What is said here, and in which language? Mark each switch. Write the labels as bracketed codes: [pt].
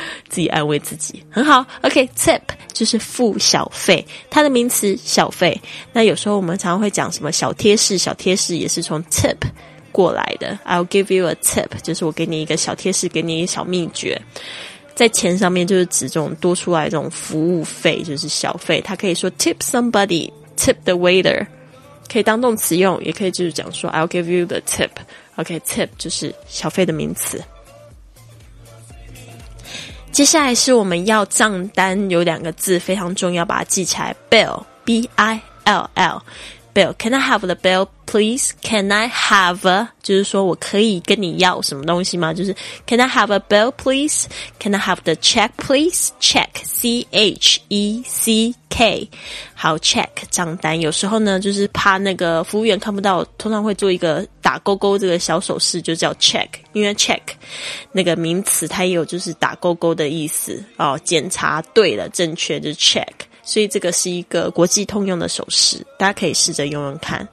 [zh] 自己安慰自己，很好。OK, tip 就是付小费，它的名词小费。那有时候我们常常会讲什么小贴士，小贴士也是从 tip 过来的。 [en] I'll give you a tip [zh] 就是我给你一个小贴士，给你一个小秘诀。在钱上面就是指这种多出来这种服务费，就是小费。它可以说 [en] tip somebody, tip the waiter, [zh] 可以当动词用，也可以就是讲说 [en] I'll give you the tip。 [zh] OK, tip 就是小费的名词。接下来是我们要账单，有两个字非常重要，把它记起来。 [en] Bill, B-I-L-L, Bill. Can I have the bill, please? Can I have a, [zh] 就是说我可以跟你要什么东西吗？就是 [en] Can I have a bill, please? Can I have the check, please? Check, C-H-E-C-K. 好 ，check 账单。 [zh] 有时候呢，就是怕那个服务员看不到，通常会做一个打勾勾这个小手势，就叫 check。因为 check 那个名词，它也有就是打勾勾的意思哦，检查对了，正确就是 check。所以这个是一个国际通用的手势，大家可以试着用用看。